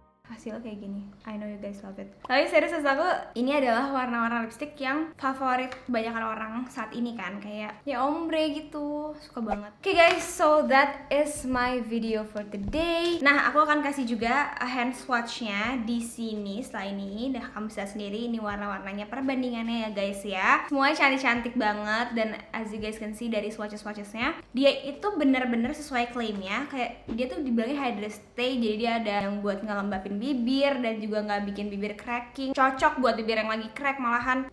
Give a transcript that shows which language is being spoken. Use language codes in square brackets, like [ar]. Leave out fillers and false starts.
[id] Hasilnya kayak gini, [en] I know you guys love it. [id] Tapi serius, sesuatu aku, ini adalah warna-warna lipstick yang favorit kebanyakan orang saat ini kan. Kayak, ya ombre gitu, suka banget. [en] Okay guys, so that is my video for today. [id] Nah, aku akan kasih juga hand swatch-nya di sini, setelah ini. Nah, kamu bisa sendiri, ini warna-warnanya perbandingannya ya guys ya. Semuanya cantik-cantik banget, dan [en] as you guys can see [id] dari swatches-swatches-nya, dia itu benar-benar sesuai klaimnya. Kayak, dia tuh dibilangnya hydrate stay, jadi dia ada yang buat ngelembapin bibir dan juga nggak bikin bibir cracking, cocok buat bibir yang lagi crack malahan.